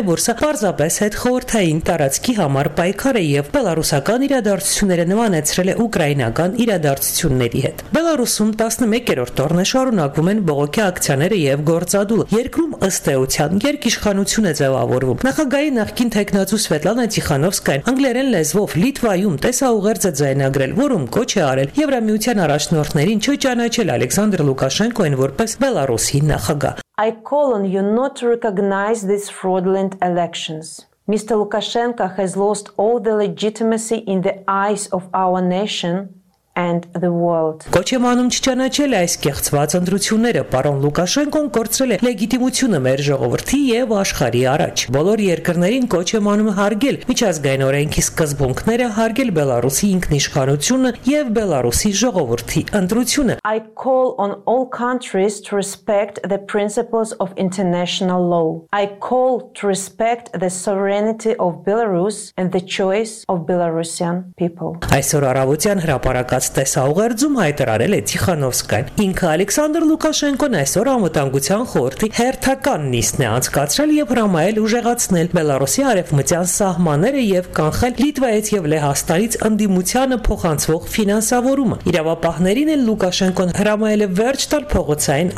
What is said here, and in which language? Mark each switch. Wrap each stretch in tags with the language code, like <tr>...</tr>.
<hy>որ սա պարզապես հետ խորհրդային տարածքի համար պայքար է և բելարուսական իրադարձությունները նմանեցրել է ուկրաինական իրադարձությունների հետ։ Բելարուսում 11-րդ օրն է շարունակվում են բողոքի ակցիաները և գործադուլը։ Երկրում ըստ էության երկիշխանություն է ձևավորվում։ Նախագահի նախկին թեկնածու Սվետլանա Տիխանովսկայան անգլերեն լեզվով Լիտվայում տեսաուղերձը ձայնագրել, որում կոչ է արել Եվրամիության առաջնորդներին չճանաչել Ալեքսանդր Լուկաշենկոին որպես բելարուսի նախագահ։</hy> <en>I call on you not to recognize these fraudulent elections. Mr. Lukashenko has lost all the legitimacy in the eyes of our nation and the world.</en> <hy>Կոչեմանում չճանաչել այս կեղծված ընդրությունները, պարոն Լուկաշենկոն կործրել է լեգիտիմությունը մեր ժողովրդի եւ աշխարհի առաջ։ Բոլոր երկրներին կոչեմանում հարգել միջազգային օրենքի սկզբունքները, հարգել Բելարուսի ինքնիշխանությունը եւ Բելարուսի ժողովրդի ընդրությունը։</hy> <en>I call on all countries to respect the principles of international law. I call to respect the sovereignty of Belarus and the choice of Belarusian people.</en> <hy>Այսօր առավոտյան հրապարակած տեսահուղերձում հայտարարել է Տիխանովսկան։ Ինքը Ալեքսանդր Լուկաշենկոն այսօր անվտանգության խորհրդի հերթական նիստն է անցկացրել եւ հրամայել ուժեղացնել Բելարուսի արևմտյան սահմանները եւ կանխել Լիտվայից եւ Լեհաստանից ընդդիմությանը փոխանցվող ֆինանսավորումը։ Իրավապահներին էլ Լուկաշենկոն հրամայել է վերջ տալ փողոցային</hy>